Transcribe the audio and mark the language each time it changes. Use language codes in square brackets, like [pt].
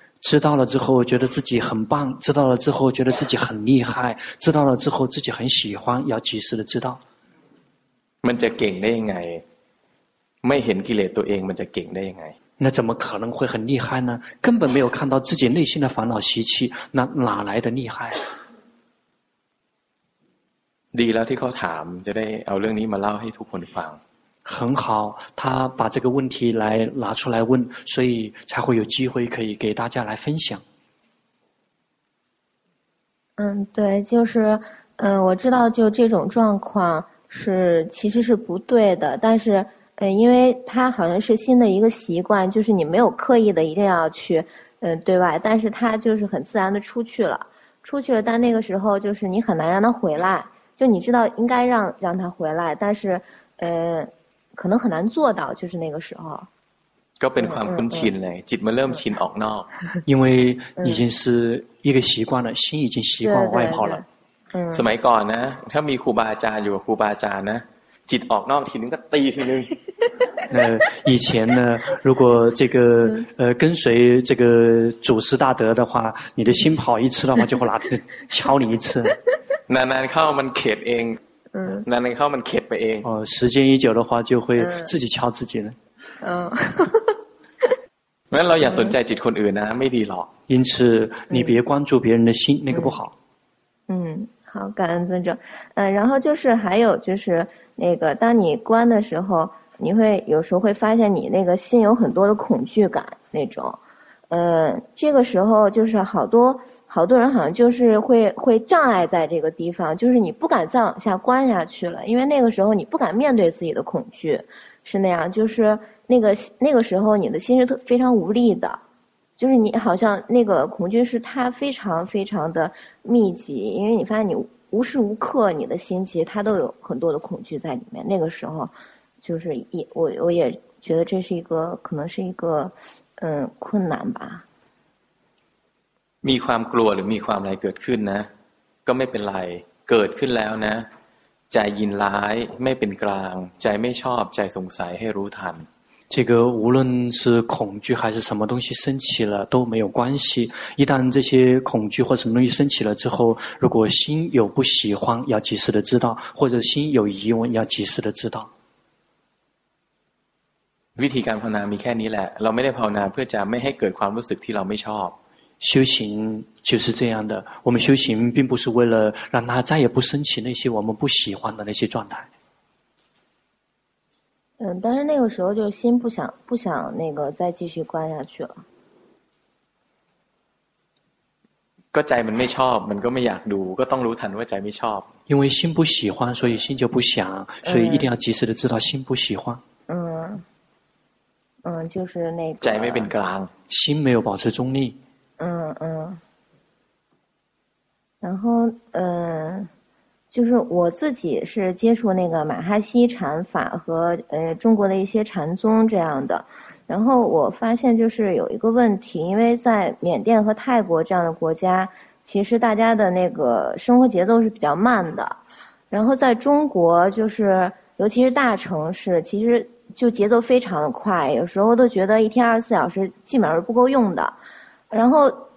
[zh] 知道了之后觉得自己很棒知道了之后觉得自己很厉害知道了之后自己很喜欢要及时的知道 [th] มันจะเก่งได้ยังไงไม่เห็นกิเลสตัวเองมันจะเก่งได้ยังไง [zh] 那怎么可能会很厉害呢根本没有看到自己内心的烦恼习气那哪来的厉害 [th] ดีแล้วที่เขาถามจะได้เอาเรื่องนี้มาเล่าให้ทุกคนฟัง [zh] 很好他把这个问题来拿出来问所以才会有机会可以给大家来分享嗯对就是我知道就这种状况是其实是不对的但是因为它好像是新的一个习惯就是你没有刻意的一定要去对外但是它就是很自然的出去了但那个时候就是你很难让它回来就你知道应该让它回来但是可能很难做到就是那个时候 [th] ก็เป็นความคุ้นชินเลยจิตมันเริ่มชินออกนอก [zh] 因为已经是一个习惯了心已经习惯外跑了 [th] สมัยก่อนนะถ้ามีครูบาอาจารย์อยู่กับครูบาอาจารย์นะจิตออกนอกทีนึงก็ตีทีนึง [zh] 以前呢，如果这个跟随这个祖师大德的话，你的心跑一次的话，就会拿着敲你一次。难难靠我们克服，嗯，难难靠我们克服。哦，时间一久的话，就会自己敲自己了。嗯。 [th] งั้นเราอย่าสนใจจิตคนอื่นนะไม่ดีหรอก [zh] 因此你别关注别人的心那个不好嗯好感恩尊者然后就是还有就是那个当你关的时候你会有时候会发现你那个心有很多的恐惧感那种这个时候就是好多好多人好像就是会障碍在这个地方就是你不敢再往下关下去了因为那个时候你不敢面对自己的恐惧是那样就是那个时候你的心是非常无力的就是你好像那个恐惧是它非常非常的密集因为你发现你无时无刻你的心其实它都有很多的恐惧在里面那个时候就是我也觉得这是一个可能是一个困难吧 [th] มีความกลัวหรือมีความอะไรเกิดขึ้นนะก็ไม่เป็นไรเกิดขึ้นแล้วนะใจยินร้ายไม่เป็นกลางใจไม่ชอบใจสงสัยให้รู้ทัน [zh] 这个无论是恐惧还是什么东西升起了都没有关系一旦这些恐惧或什么东西升起了之后如果心有不喜欢要及时的知道或者心有疑问要及时的知道 [th] วิธีการภาวนามีแค่นี้แหละเราไม่ได้ภาวนาเพื่อจะไม่ให้เกิดความรู้สึกที่เราไม่ชอบ [zh] 修行就是这样的我们修行并不是为了让它再也不升起那些我们不喜欢的那些状态但是那个时候就心不想那个再继续关下去了。 [th] ก็ใจมันไม่ชอบมันก็ไม่อยากดูก็ต้องรู้ทันว่าใจไม่ชอบ [zh] 因为心不喜欢所以心就不想所以一定要及时的知道心不喜欢就是那个 [th] ใจไม่เป็นกลาง [zh] 心没有保持中立然后就是我自己是接触那个马哈希禅法和中国的一些禅宗这样的然后我发现就是有一个问题因为在缅甸和泰国这样的国家其实大家的那个生活节奏是比较慢的然后在中国就是尤其是大城市其实就节奏非常的快有时候都觉得一天24小时基本上是不够用的然后